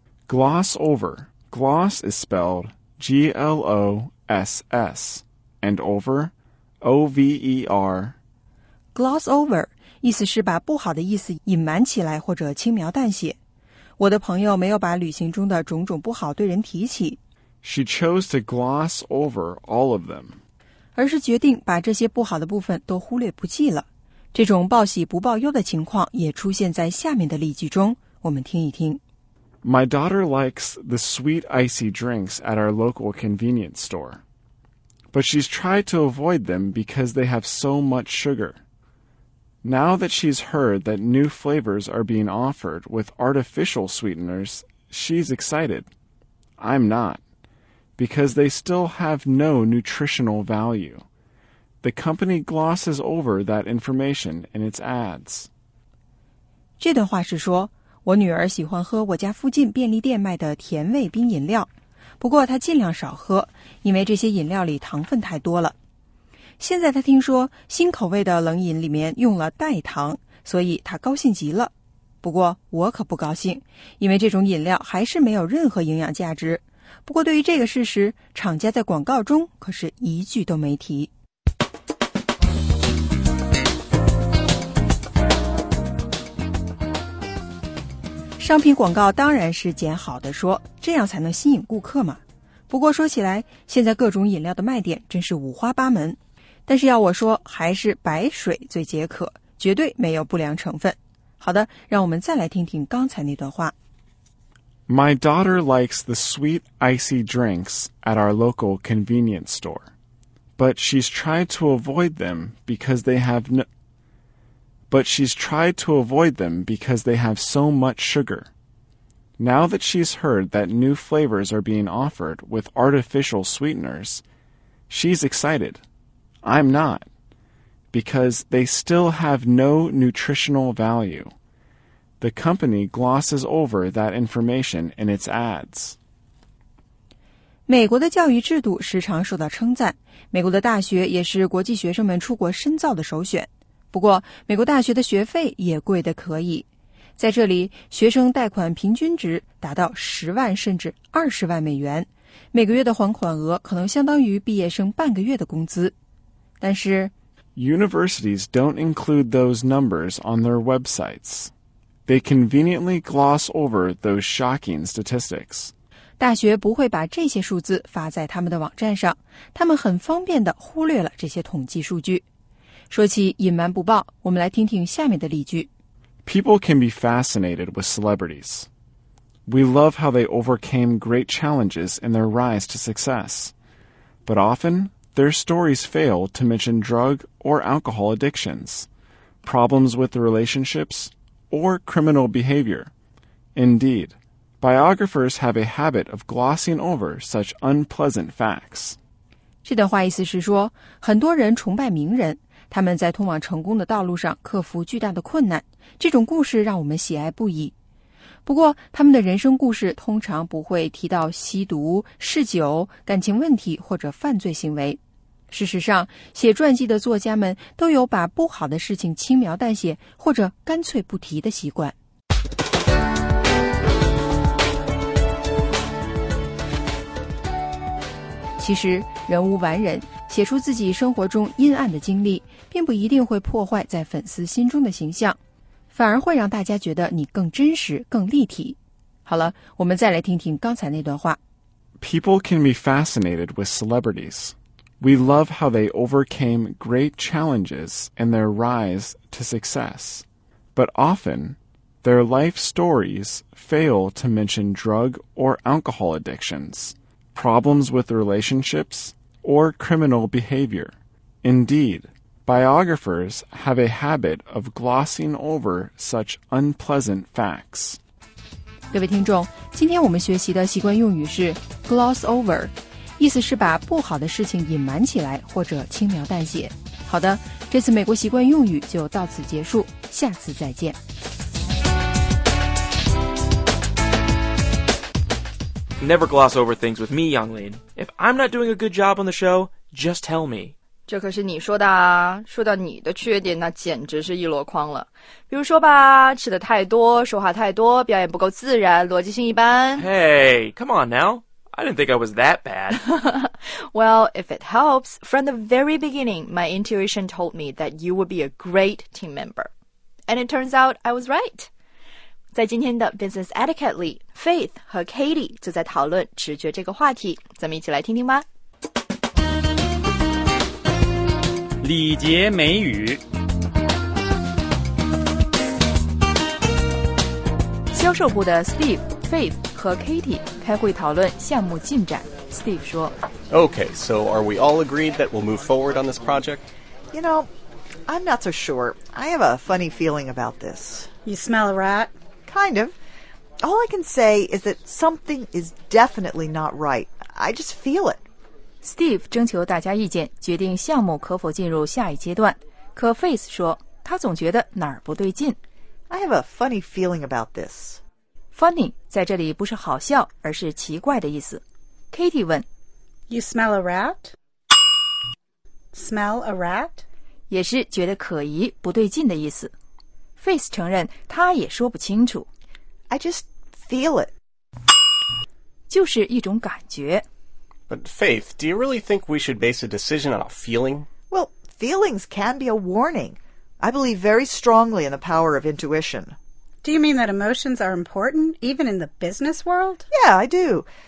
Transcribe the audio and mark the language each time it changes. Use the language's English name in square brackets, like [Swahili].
[English] Gloss over. Gloss is spelled G-L-O-S-S. And over, O-V-E-R. [Chinese] Gloss over, 意思是把不好的意思隐瞒起来或者轻描淡写。我的朋友没有把旅行中的种种不好对人提起。 [English] She chose to gloss over all of them. [Chinese] 而是决定把这些不好的部分都忽略不计了。这种报喜不报忧的情况也出现在下面的例句中，我们听一听。 [English] My daughter likes the sweet icy drinks at our local convenience store. But she's tried to avoid them because they have so much sugar. Now that she's heard that new flavors are being offered with artificial sweeteners, she's excited. I'm not. Because they still have no nutritional value. The company glosses over that information in its ads. [Chinese] 这段话是说，我女儿喜欢喝我家附近便利店卖的甜味冰饮料，不过她尽量少喝，因为这些饮料里糖分太多了。现在她听说新口味的冷饮里面用了代糖，所以她高兴极了。不过我可不高兴，因为这种饮料还是没有任何营养价值。不过对于这个事实，厂家在广告中可是一句都没提。商品广告当然是捡好的说，这样才能吸引顾客嘛。不过说起来，现在各种饮料的卖点真是五花八门，但是要我说，还是白水最解渴，绝对没有不良成分。好的，让我们再来听听刚才那段话。 [English] My daughter likes the sweet icy drinks at our local convenience store, but she's tried to avoid them because they have no, but she's tried to avoid them because they have so much sugar. Now that she's heard that new flavors are being offered with artificial sweeteners, she's excited. I'm not, because they still have no nutritional value. The company glosses over that information in its ads. [Chinese] 美国的教育制度时常受到称赞，美国的大学也是国际学生们出国深造的首选。不过，美国大学的学费也贵得可以。在这里，学生贷款平均值达到10万甚至20万美元，每个月的还款额可能相当于毕业生半个月的工资。但是 [English] ，Universities don't include those numbers on their websites. They conveniently gloss over those shocking statistics. [Chinese] 大学不会把这些数字发在他们的网站上，他们很方便地忽略了这些统计数据。说起隐瞒不报，我们来听听下面的例句。 [English] People can be fascinated with celebrities. We love how they overcame great challenges in their rise to success. But often, their stories fail to mention drug or alcohol addictions, problems with relationships,or criminal behavior. Indeed, Biographers have a habit of glossing over such unpleasant facts. [Chinese] 这段话意思是说，很多人崇拜名人，他们在通往成功的道路上克服巨大的困难，这种故事让我们喜爱不已。不过，他们的人生故事通常不会提到吸毒、嗜酒、感情问题或者犯罪行为。事实上，写传记的作家们都有把不好的事情轻描淡写或者干脆不提的习惯。其实，人无完人，写出自己生活中阴暗的经历，并不一定会破坏在粉丝心中的形象，反而会让大家觉得你更真实、更立体。好了，我们再来听听刚才那段话。 [English] People can be fascinated with celebrities. We love how they overcame great challenges in their rise to success. But often, their life stories fail to mention drug or alcohol addictions. Problems with relationships, or criminal behavior. Indeed, biographers have a habit of glossing over such unpleasant facts. [Chinese] 各位听众，今天我们学习的习惯用语是 gloss over, 意思是把不好的事情隐瞒起来或者轻描淡写。好的，这次美国习惯用语就到此结束，下次再见。 [English] Never gloss over things with me, Yonglin. If I'm not doing a good job on the show, just tell me. [Chinese] 这可是你说的啊。说到你的缺点，那简直是一箩筐了。比如说吧，吃的太多，说话太多，表演不够自然，逻辑性一般。 [English] Hey, come on now. I didn't think I was that bad. Well, if it helps, from the very beginning, my intuition told me that you would be a great team member. And it turns out I was right. [Chinese] 在今天的 Business Etiquette 里 ,Faith 和 Katie 就在讨论直觉这个话题。咱们一起来听听吧。礼节美语。销售部的 Steve, Faith 和 Katie 开会讨论项目进展。 Steve 说 [English] Okay, so are we all agreed that we'll move forward on this project? You know, I'm not so sure. I have a funny feeling about this. You smell a rat? Kind of. All I can say is that something is definitely not right. I just feel it. [Chinese] Steve 征求大家意见，决定项目可否进入下一阶段。可 Faith 说，他总觉得哪儿不对劲。 [English] I have a funny feeling about this. [Chinese] Funny 在这里不是好笑，而是奇怪的意思。 Katie 问 [English] ，You smell a rat? Smell a rat? [Chinese] 也是觉得可疑、不对劲的意思。Faith 承认他也说不清楚。 [English] I just feel it. [Chinese] 就是一种感觉。 [English] But Faith, do you really think we should base a decision on a feeling? Well, feelings can be a warning. I believe very strongly in the power of intuition. Do you mean that emotions are important, even in the business world? Yeah, I do.